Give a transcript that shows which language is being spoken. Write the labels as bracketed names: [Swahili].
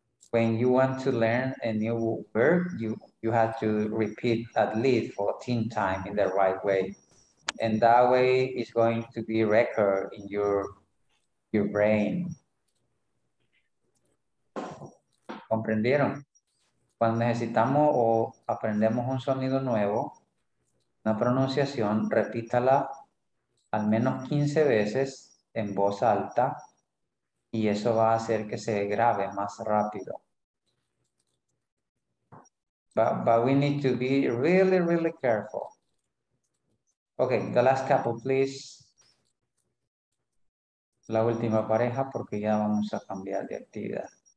[English] When you want to learn a new word, you have to repeat at least 14 times in the right way. And that way it's going to be record in your brain. [Spanish] ¿Comprendieron? Cuando necesitamos o aprendemos un sonido nuevo, una pronunciación, repítala al menos 15 veces en voz alta y eso va a hacer que se grabe más rápido. [English] But we need to be really, really careful. Okay, the last couple, please. [Spanish] La última pareja, porque ya vamos a cambiar de actividad.